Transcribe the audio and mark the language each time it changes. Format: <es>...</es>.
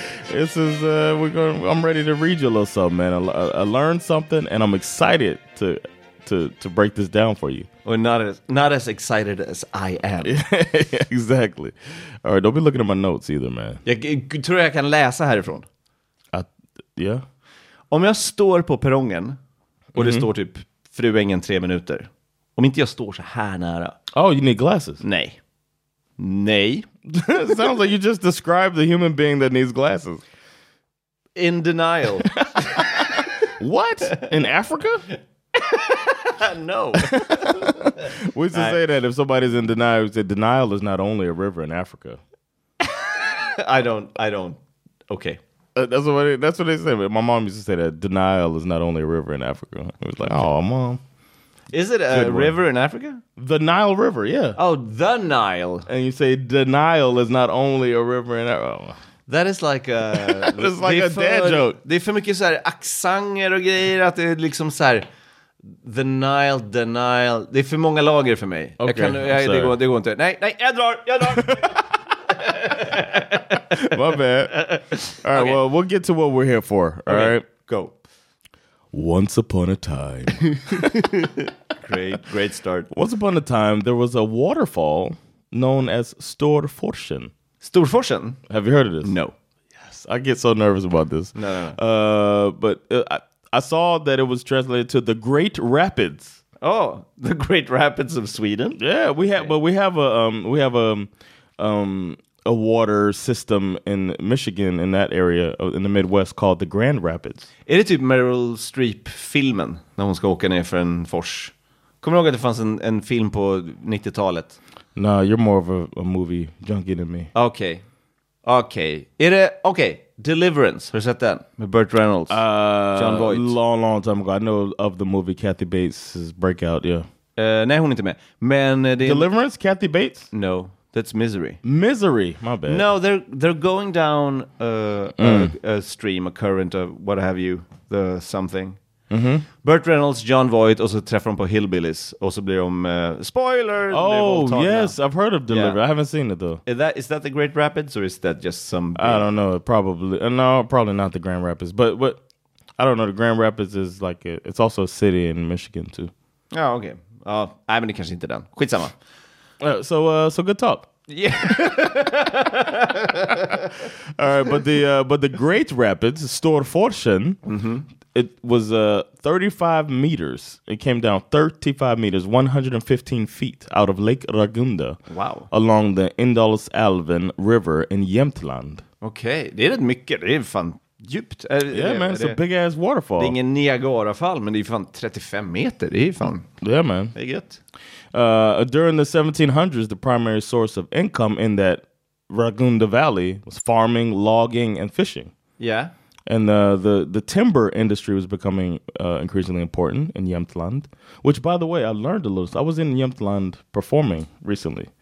<en>This is I'm ready to read you a little something, man. I learned something, and I'm excited to break this down for you. Well, not as excited as I am. Yeah, exactly. All right, don't be looking at my notes either, man.</en> <sv>Jag tror jag kan läsa härifrån.</sv> <en>Yeah.</en> <sv>Om jag står på perrongen och det står typ Fruängen 3 minuter. Om inte jag står så här nära.</sv> <en>Oh, you need glasses.</en> <sv>Nej. Nej.</sv> <en>Sounds like you just described the human being that needs glasses. In denial. What? In Africa? No. We used to say that if somebody's in denial, we say denial is not only a river in Africa. I don't. Okay. That's what they say. My mom used to say that denial is not only a river in Africa. It was like, oh, mom. Is it a river in Africa? The Nile River, yeah. Oh, the Nile. And you say the Nile is not only a river in Africa. That is like a... It's like a dad joke.</en> <sv>Det är för mycket så här axanger och grejer att det är liksom så här... The Nile. Det är för många lager för mig.</sv> <en>Okay,</en> <sv>det går inte. Nej, jag drar!</sv> <en>My bad. All right, okay. Well, we'll get to what we're here for. All right. Go. Once upon a time. great start. Once upon a time, there was a waterfall known as Storforsen. Storforsen? Have you heard of this? No. Yes. I get so nervous about this. No. But I saw that it was translated to the Great Rapids. Oh, the Great Rapids of Sweden. Yeah, we have a water system in Michigan, in that area, in the Midwest, called the Grand Rapids.</en> <sv>Är det typ Meryl Streep-filmen, när hon ska åka ner för en fors? Kommer du ihåg att det fanns en film på 90-talet?</sv> <en>No, you're more of a movie junkie than me.</en> <sv>Okej. Okay. Deliverance, har du sett den? Med Burt Reynolds, John Voight.</sv> <en>Long time ago. I know of the movie Kathy Bates' Breakout, yeah.</en> <sv>Nej, hon är inte med. Men det är...</sv> <en>Deliverance, Kathy Bates? No. That's Misery. Misery, my bad. No, they're going down a stream, a current, of what have you, the something. Mm-hmm.</en> <sv>Burt Reynolds, John Voight, och så träffar de på Hillbillies. Och så blir de, spoiler!</sv> <en>Oh, yes, I've heard of Deliverance. Yeah. I haven't seen it, though. Is that the Great Rapids, or is that just some... I don't know, probably. No, probably not the Grand Rapids. But what? I don't know, the Grand Rapids is like, it's also a city in Michigan, too. Oh, okay. Oh, I mean, it</en> <sv>kanske inte den. Skitsamma.</sv> <en>So good talk. Yeah. All right, but the Great Rapids, Storforsen, it was 35 meters. It came down 35 meters, 115 feet out of Lake Ragunda. Wow. Along the Indalsälven River in Jämtland.</en> <sv>Okay, det är ett mycket, det är fan djupt.</sv> <en>Yeah, man, it's a big ass waterfall.</en> <sv>Det är ingen Niagarafall, men det är fan 35 meter, det är fan.</sv> <en>Yeah, man.</en> <sv>Det är gött.</sv> <en>During the 1700s, the primary source of income in that Ragunda Valley was farming, logging, and fishing. Yeah. And the timber industry was becoming increasingly important in Jämtland. Which, by the way, I learned a little. I was in Jämtland performing recently.</en>